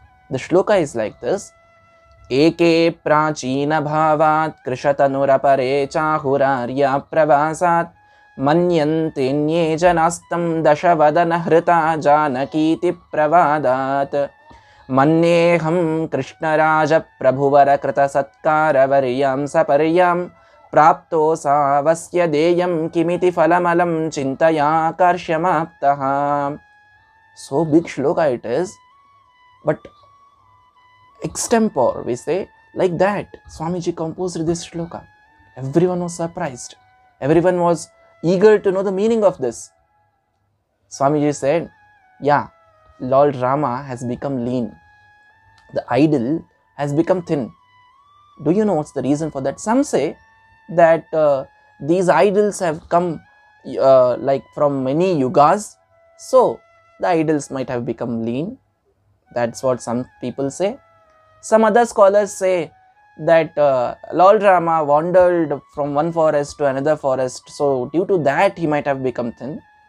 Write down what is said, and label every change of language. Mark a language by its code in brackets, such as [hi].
[en] The shloka is like this. [sa] Eke prachina bhavat krishatanurapare chahurarya pravasat manyante nye janastam dashavadana hrita janakiti pravadat manneham krishnaraja prabhuvara krita satkara varyam sapariyam ಪ್ರಾಪ್ತೋ ಸಾವಸ್ಯ ದೇಯಂ ಕಿಮಿತಿ ಫಲಮಲಂ ಚಿಂತಯಾಕರ್ಷ್ಯಮಾಪ್ತಃ. [en] So big shloka it is, but extempore we say like that Swamiji composed this shloka. Everyone was surprised, everyone was eager to know the meaning of this. Swamiji said, yeah, Lord Rama has become lean, the idol has become thin. Do you know what's the reason for that? Some say that these idols have come like from many yugas, so the idols might have become lean. That's what some people say. Some other scholars say that LOL Rama wandered from one forest to another forest, so due to that he might have become thin.